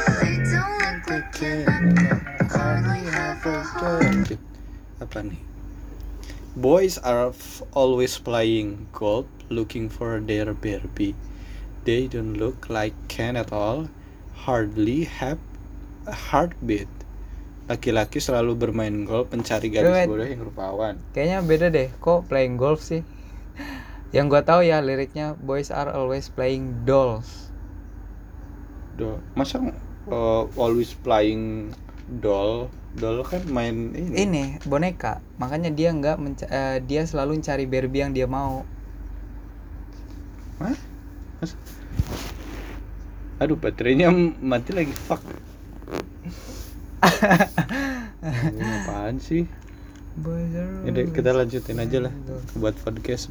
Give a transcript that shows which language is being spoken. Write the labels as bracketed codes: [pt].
[en] They don't look like it, hardly have a heart. [id] Apa nih? [en] Boys are always playing golf, looking for their Barbie. They don't look like Ken at all, hardly have a heartbeat. [id] Laki-laki selalu bermain golf, mencari gadis bodoh yang rupawan. Kayaknya beda deh, kok [en] playing golf [id] sih? Yang gua tahu ya liriknya, [en] boys are always playing dolls. [id] Masa [en] always playing doll? [id] Doll kan main ini. Ini boneka, makanya dia nggak dia selalu mencari Barbie yang dia mau. Hah? Aduh, baterainya mati lagi, fuck. Ini apaan sih? Jadi kita lanjutin aja lah buat podcast